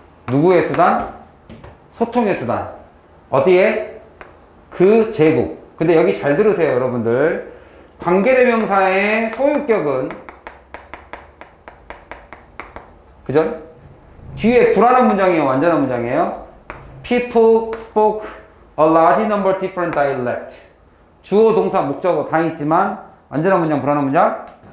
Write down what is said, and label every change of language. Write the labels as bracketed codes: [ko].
[ko] 누구의 수단? 소통의 수단. 어디에? 그 제국. 근데 여기 잘 들으세요 여러분들. 관계대명사의 소유격은 그죠? 뒤에 불안한 문장이에요? 완전한 문장이에요? [en] People spoke a large number of different dialects. [ko] 주어, 동사, 목적어 다 있지만 완전한 문장, 불안한 문장?